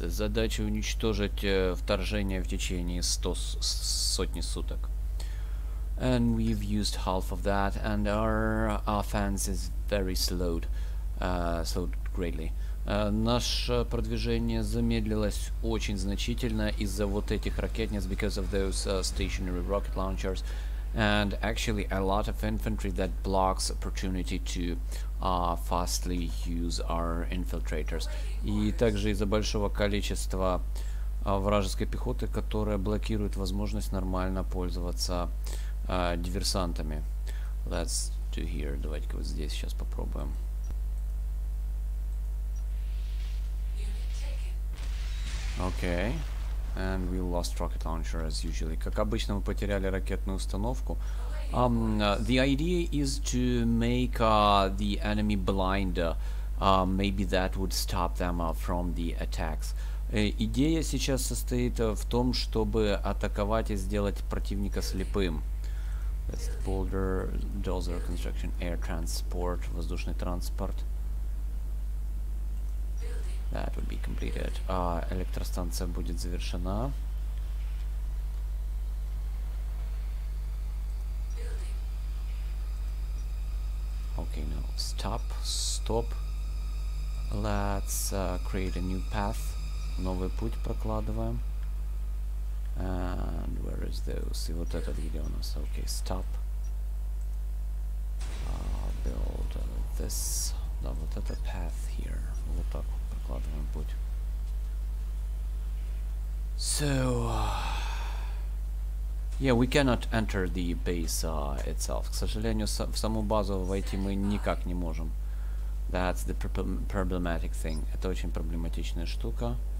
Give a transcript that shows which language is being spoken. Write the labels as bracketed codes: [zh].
[ru] Задача – уничтожить вторжение в течение 100 суток. [en] And we've used half of that, and our offense is very slowed, slowed greatly. [ru] Наше продвижение замедлилось очень значительно из-за вот этих ракетниц, [en] because of those stationary rocket launchers, and actually a lot of infantry that blocks opportunity to fastly use our infiltrators. [ru] И также из-за большого количества вражеской пехоты, которая блокирует возможность нормально пользоваться диверсантами. [en] Let's do here. [ru] Давайте-ка вот здесь сейчас попробуем. [en] Okay. And we lost rocket launcher as usually. [ru] Как обычно, мы потеряли ракетную установку. [en] The idea is to make the enemy blinder. Maybe that would stop them from the attacks. [ru] Идея сейчас состоит в том, чтобы атаковать и сделать противника слепым. [en] That's the boulder, dozer construction, air transport, [ru] воздушный транспорт. [en] That would be completed. [ru] Электростанция будет завершена. [en] Okay, now stop, stop. Let's create a new path. [ru] Новый путь прокладываем. [en] And where is those? [ru] И вот этот где у нас. [en] Okay, stop. Build this. [ru] Да, вот этот [en] path here. [ru] Вот так вот прокладываем путь. [en] So, yeah, we cannot enter the base itself. [ru] К сожалению, в саму базу войти мы никак не можем. [en] That's the problematic thing. [ru] Это очень проблематичная штука.